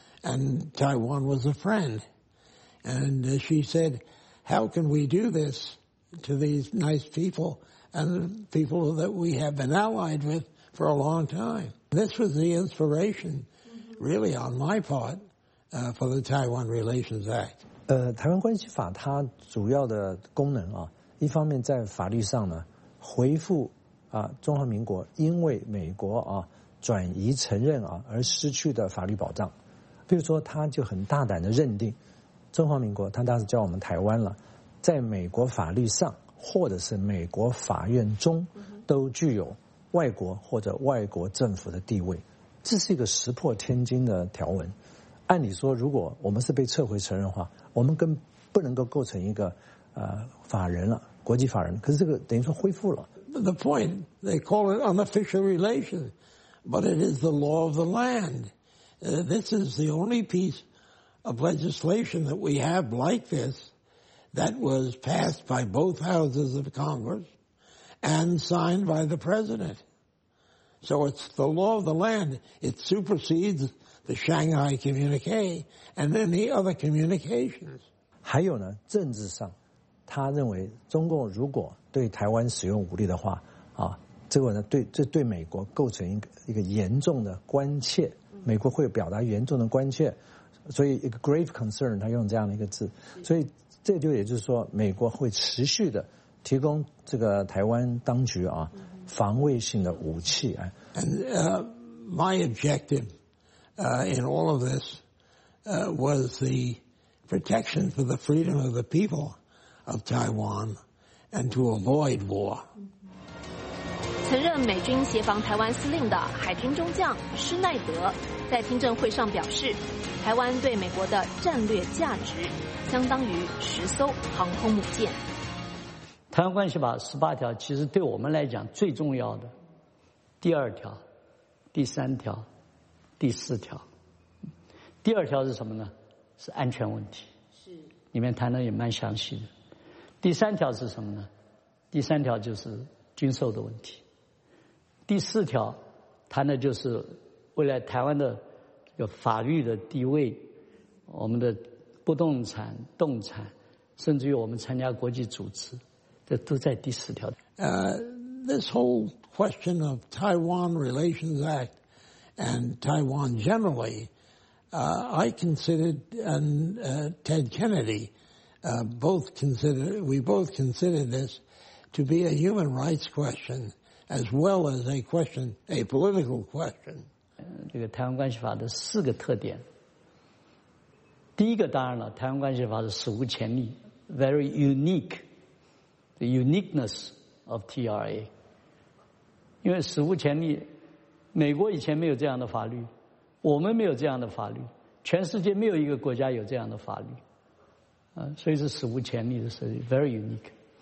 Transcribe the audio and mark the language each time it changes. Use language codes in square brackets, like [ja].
[en] and Taiwan was a friend. And she said, how can we do this to these nice people and people that we have been allied with for a long time? This was the inspiration, really, on my part, for the Taiwan Relations Act. [zh] 台湾关系法它主要的功能啊，一方面在法律上呢，回复啊中华民国因为美国啊转移承认啊而失去的法律保障，比如说他就很大胆的认定中华民国，他当时叫我们台湾了，在美国法律上或者是美国法院中都具有外国或者外国政府的地位，这是一个石破天惊的条文。按理说，如果我们是被撤回承认的话，我们更不能够构成一个法人了，国际法人。可是这个等于说恢复了。 [en] The point they call it unofficial relations, but it is the law of the land. This is the only piece of legislation that we have like this that was passed by both houses of Congress and signed by the president. So it's the law of the land. It supersedes. The Shanghai communique and any other communications. [zh] 还有呢，政治上，他认为中共如果对台湾使用武力的话，啊，这个呢，对美国构成一个严重的关切，美国会表达严重的关切，所以一个 grave concern，他用这样的一个字，所以这就也就是说，美国会持续的提供这个台湾当局啊防卫性的武器啊。 [en] And my objective. In all of this, was the protection for the freedom of the people of Taiwan and to avoid war. [zh] 曾任美军协防台湾司令的海军中将施耐德在听证会上表示，台湾对美国的战略价值相当于十艘航空母舰。台湾关系法十八条其实对我们来讲最重要的第二条、第三条。第四条，第二条是什么呢？是安全问题，是里面谈的也蛮详细的。第三条是什么呢？第三条就是军售的问题。第四条谈的就是未来台湾的有法律的地位，我们的不动产、动产，甚至于我们参加国际组织，这都在第四条。 [en] This whole question of Taiwan Relations Act. And Taiwan generally, I considered, and Ted Kennedy, we both considered this to be a human rights question as well as a question, a political question. [zh] 这个台湾关系法的四个特点。第一个当然了，台湾关系法是史无前例 ， very unique, the uniqueness of TRA. 因为史无前例。美国以前没有这样的法律，我们没有这样的法律，全世界没有一个国家有这样的法律，所以是史无前例的设计 ， very unique。